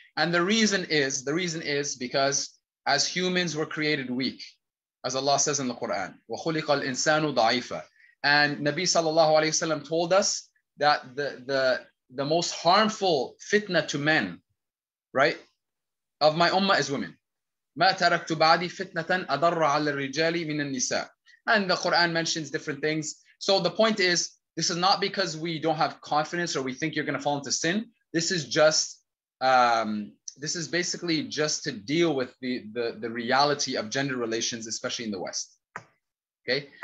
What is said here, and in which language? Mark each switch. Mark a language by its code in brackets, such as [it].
[en] And the reason is because as humans we're created weak, as Allah says in the Quran, [ar] wa khuliqal insanu da'ifa. [en] And Nabi sallallahu alayhi wasallam told us that the most harmful fitna to men, right, of my ummah is women. [ar] مَا تَرَكْتُ بَعْدِي فِتْنَةً أَضَرَّ عَلَى الرِّجَالِ مِنَ النِّسَاءِ. [en] And the Quran mentions different things. So the point is, this is not because we don't have confidence or we think you're going to fall into sin. This is just, this is basically just to deal with the reality of gender relations, especially in the West. Okay.